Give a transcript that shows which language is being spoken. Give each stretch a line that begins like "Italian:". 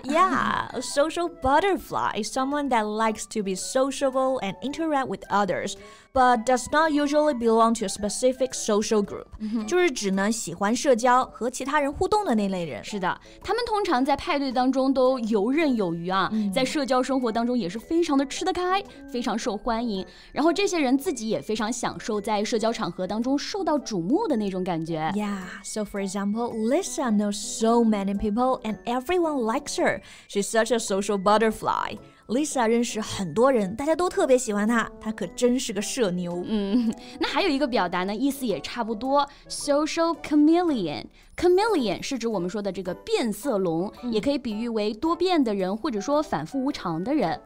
English: Yeah, a social butterfly is someone that likes to be sociable and interact with others, but does not usually belong to a specific social group.、 Mm-hmm.
Chinese: 就是指呢喜欢社交和其他人互动的那类人。是的，他们通常在派对当中都游刃有余啊、mm-hmm. 在社交生活当中也是非常的吃得开，非常受欢迎。然后这些人自己也非常享受在社交场合当中受到瞩目的那种感觉。
English: Yeah, so for example, Lisa knows so many people and everyone likes her. She's such a social butterfly.
Chinese: Lisa 认识很多人，大家都特别喜欢她，她可真是个社牛。嗯，那还有一个表达呢，意思也差不多， social chameleon. Chameleon 是指我们说的这个变色龙、嗯、也可以比喻为多变的人或者说反复无常的人。